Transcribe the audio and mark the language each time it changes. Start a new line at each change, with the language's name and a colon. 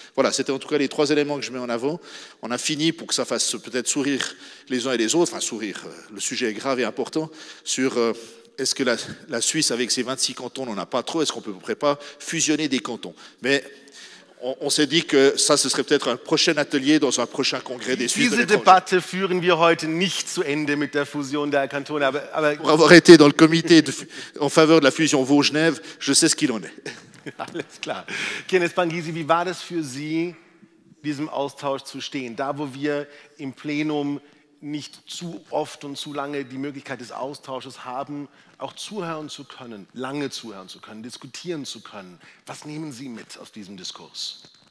French: Voilà, c'était en tout cas les trois éléments que je mets en avant. On a fini pour que ça fasse peut-être sourire les uns et les autres, enfin sourire, le sujet est grave et important, sur... Est-ce que la Suisse, avec ses 26 cantons, n'en a pas trop? Est-ce qu'on ne peut pas fusionner des cantons? Mais On s'est dit que ça, ce serait peut-être un prochain atelier dans un prochain congrès des Suisses.
German: Diese Debatte führen wir heute nicht zu Ende mit der Fusion der Kantone. Aber
French: pour avoir été dans le comité en faveur de la fusion Vaud-Genève, je sais ce qu'il en est.
German: Alles klar. Kenneth Bangisi, wie war das für Sie, diesem Austausch zu stehen? Da, wo wir im Plenum nicht zu oft und zu lange die Möglichkeit des Austausches haben, auch zuhören zu können, lange zuhören zu können, diskutieren zu können. Was nehmen Sie mit aus diesem Diskurs?